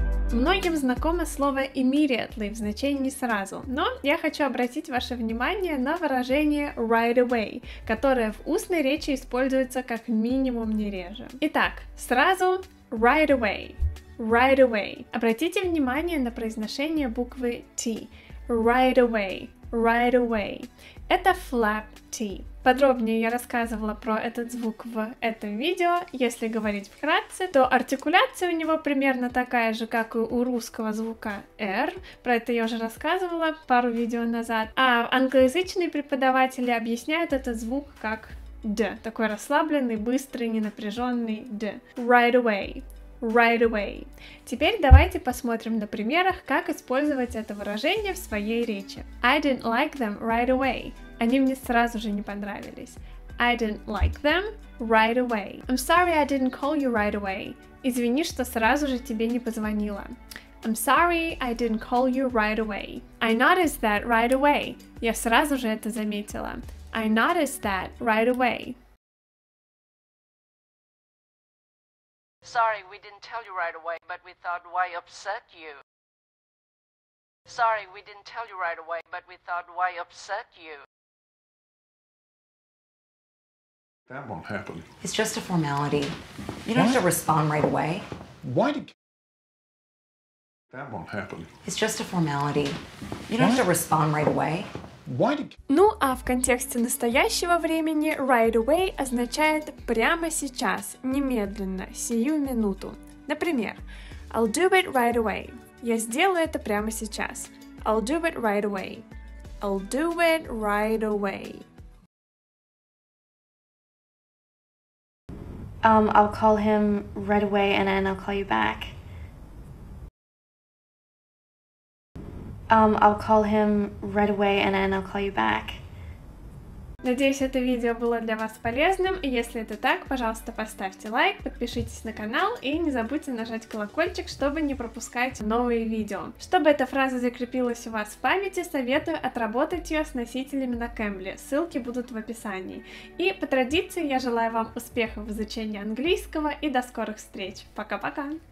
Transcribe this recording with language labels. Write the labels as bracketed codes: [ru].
[ru] Многим знакомо слово immediately в значении сразу, но я хочу обратить ваше внимание на выражение right away, которое в устной речи используется как минимум не реже. Итак, сразу right away, right away. Обратите внимание на произношение буквы T. Right away, right away. Это flap T. Подробнее я рассказывала про этот звук в этом видео. Если говорить вкратце, то артикуляция у него примерно такая же, как и у русского звука R. Про это я уже рассказывала пару видео назад. А англоязычные преподаватели объясняют этот звук как D. Такой расслабленный, быстрый, ненапряженный D. [en] Right away. Right away. [ru] Теперь давайте посмотрим на примерах, как использовать это выражение в своей речи. [en] I didn't like them right away. [ru] Они мне сразу же не понравились. [en] I didn't like them right away. I'm sorry I didn't call you right away. [ru] Извини, что сразу же тебе не позвонила. [en] I'm sorry I didn't call you right away. I noticed that right away. [ru] Я сразу же это заметила. [en] I noticed that right away. Sorry, we didn't tell you right away, but we thought why upset you. Sorry, we didn't tell you right away, but we thought why upset you. That won't happen. It's just a formality. You don't have to respond right away. Why did you... That won't happen. It's just a formality. You don't have to respond right away. [ru] Ну, а в контексте настоящего времени right away означает прямо сейчас, немедленно, сию минуту. Например, [en] I'll do it right away. [ru] Я сделаю это прямо сейчас. [en] I'll do it right away. I'll do it right away. I'll call him right away and then I'll call you back. I'll call him right away and then I'll call you back. [ru] Надеюсь, это видео было для вас полезным. Если это так, пожалуйста, поставьте лайк, подпишитесь на канал и не забудьте нажать колокольчик, чтобы не пропускать новые видео. Чтобы эта фраза закрепилась у вас в памяти, советую отработать ее с носителями на Кэмбли. Ссылки будут в описании. И по традиции я желаю вам успехов в изучении английского и до скорых встреч. Пока-пока!